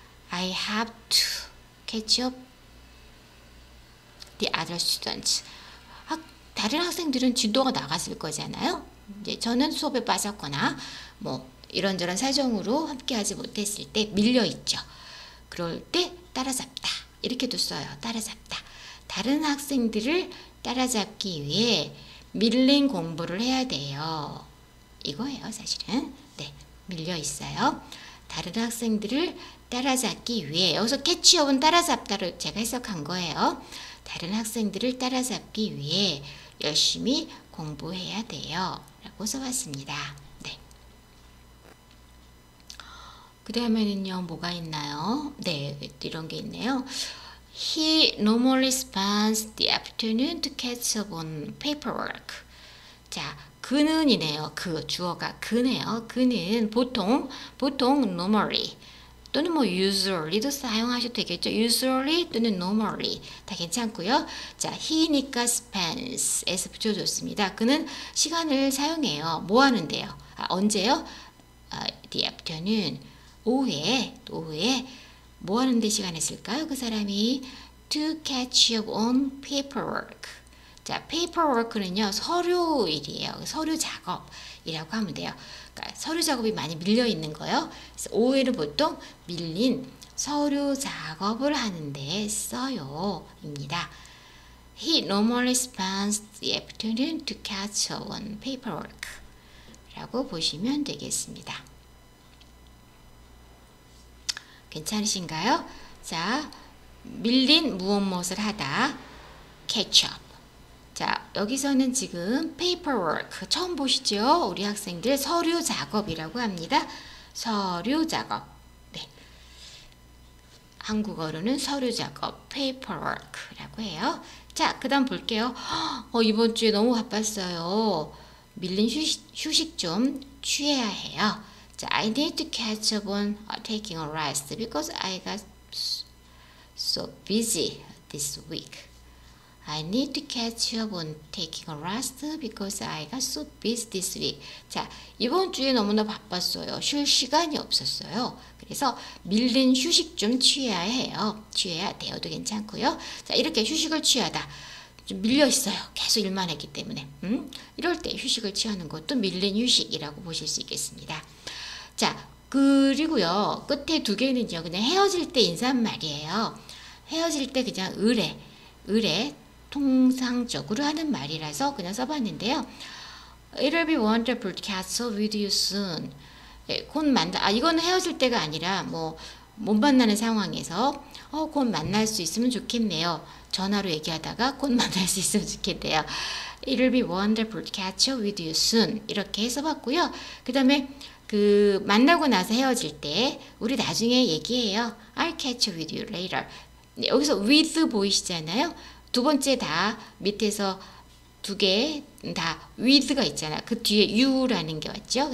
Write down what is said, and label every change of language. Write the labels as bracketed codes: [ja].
[en] I have to catch up the other students. [ko] 다른 학생들은 진도가 나갔을 거잖아요. 이제 저는 수업에 빠졌거나 뭐 이런저런 사정으로 함께하지 못했을 때 밀려 있죠. 그럴 때 따라잡다 이렇게도 써요. 따라잡다. 다른 학생들을 따라잡기 위해 밀린 공부를 해야 돼요. 이거예요, 사실은. 네, 밀려 있어요. 다른 학생들을 따라잡기 위해 여기서 캐치업은 따라잡다를 제가 해석한 거예요. 다른 학생들을 따라잡기 위해 열심히 공부해야 돼요. 라고 써봤습니다. 네. 그 다음에는요, 뭐가 있나요? 네, 이런 게 있네요. [en] He normally spends the afternoon to catch up on paperwork. [ko] 자, 그는이네요. 그 주어가 그네요. 그는 보통 normally 또는 뭐 usually도 사용하셔도 되겠죠. usually 또는 normally 다 괜찮고요. 자, he니까 spends s 붙여줬습니다. 그는 시간을 사용해요. 뭐 하는데요? 아, 언제요? the afternoon 오후에 뭐 하는 데 시간을 쓸까요? 그 사람이 [en] to catch up on paperwork. [ko] 자, paperwork는요, 서류일이에요. 서류 작업이라고 하면 돼요. 그러니까 서류 작업이 많이 밀려 있는 거예요. 그래서 오후에는 보통 밀린 서류 작업을 하는 데 써요. 입니다. [en] He normally spends the afternoon to catch up on paperwork. [ko] 라고 보시면 되겠습니다. 괜찮으신가요? 자, 밀린 무엇무엇을 하다. catch up. 자, 여기서는 지금 paperwork. 처음 보시죠? 우리 학생들 서류 작업이라고 합니다. 서류 작업. 한국어로는 서류 작업, paperwork라고 해요. 자, 그다음 볼게요. 이번 주에 너무 바빴어요. 밀린 휴식 좀 취해야 해요. [en] 자, I need to catch up on taking a rest because I got so busy this week. I need to catch up on taking a rest because I got so busy this week. [ko] 자, 이번 주에 너무나 바빴어요. 쉴 시간이 없었어요. 그래서 밀린 휴식 좀 취해야 해요. 취해야 되어도 괜찮고요. 자, 이렇게 휴식을 취하다. 좀 밀려 있어요. 계속 일만 했기 때문에. 이럴 때 휴식을 취하는 것도 밀린 휴식이라고 보실 수 있겠습니다. 자, 그리고요. 끝에 두 개는요. 그냥 헤어질 때 인사말이에요. 헤어질 때 그냥 의례. 통상적으로 하는 말이라서 그냥 써봤는데요. [en] It'll be wonderful to catch up with you soon. [ko] 예, 곧 만나, 아, 이거는 헤어질 때가 아니라, 뭐, 못 만나는 상황에서, 곧 만날 수 있으면 좋겠네요. 전화로 얘기하다가 곧 만날 수 있으면 좋겠대요. [en] It'll be wonderful to catch up with you soon. [ko] 이렇게 써봤고요. 그 다음에, 만나고 나서 헤어질 때, 우리 나중에 얘기해요. [en] I'll catch up with you later. [ko] 네, 여기서 with 보이시잖아요? 두 번째 다 밑에서 두개다 with가 있잖아. 그 뒤에 you라는 게 왔죠.